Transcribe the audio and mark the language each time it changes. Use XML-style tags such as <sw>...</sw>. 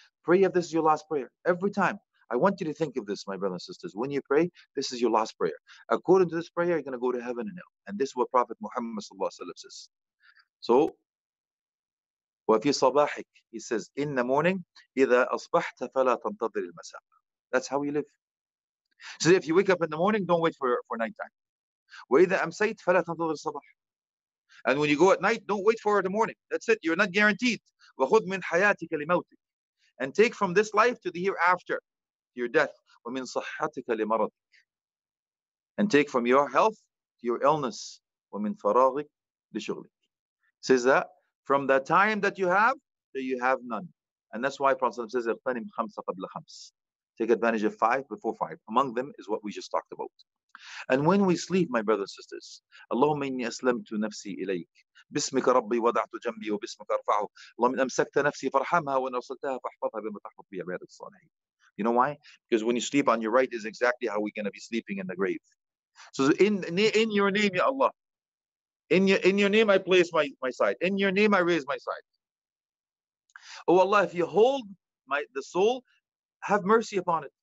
<en>Pray if this is your last prayer. Every time. I want you to think of this, my brothers and sisters. When you pray, this is your last prayer. According to this prayer, you're going to go to heaven and hell. And this is what Prophet Muhammad sallallahu alaihi wasallam says. So,</en> <ar>وَفِي صَبَاحِكَ,</ar> <en>he says, in the morning,</en> <ar>إِذَا أَصْبَحْتَ فَلَا تَنْتَظِرِ الْمَسَاءَ.</ar> <en>That's how you live. So if you wake up in the morning, don't wait for nighttime.</en> <ar>وَإِذَا أَمْسَيْتَ فَلَا تَنْتَظِرِ الصَّبَاحَ.</ar> <en>And when you go at night, don't wait for the morning. That's it. You're not guaranteed.</en> <ar>وَخُذْ مِنْ حَيَاتِكَ لِمَوْتِكَ.</ar> <en>And take from this life to the hereafter, your death.</en> <ar>وَمِنْ صَحَّتِكَ لِمَرَضِكَ.</ar> <en>And take from your health to your illness.</en> <ar>وَمِنْ فَرَاغِكَ لِشُغْلِكَ.</ar> <en>Says that, from the time that you have, that you have none. And that's why Prophet says,</en> <ar>اغتنم خمسة قبل خمس.</ar> <en>Take advantage of five before five. Among them is what we just talked about. And when we sleep, my brothers and sisters,</en> <ar>اللهم إني أسلمت نفسي إليك بسمك ربي وضعت جنبي وبسمك أرفعه اللهم أمسكت نفسي فرحمها ونصلتها فاحفظها بما تحفظ بها عباد الصالحين.</ar> <en>You know why? Because when you sleep on your right is exactly how we're going to be sleeping in the grave. So in your name, Ya Allah, In your name, I place my side. In your name, I raise my side. Oh Allah, if you hold the soul, have mercy upon it.</en>